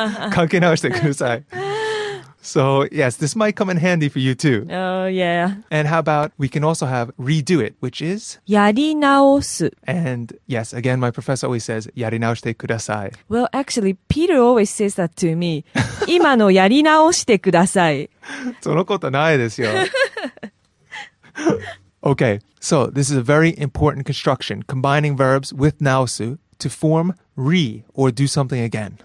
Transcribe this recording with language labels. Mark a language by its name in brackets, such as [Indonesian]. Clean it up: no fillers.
[Japanese] Kaki naoshite kudasai. [English] So, yes, this might come in handy for you, too. Oh, yeah. And how about we can also have redo it, which is? [Japanese] やり直す。 [English] And, yes, again, my professor always says, [Japanese] やり直してください。 [English] Well, actually, Peter always says that to me. [Japanese] 今のやり直してください。そのことないですよ。 [English] Okay, so this is a very important construction, combining verbs with 直す to form re, or do something again.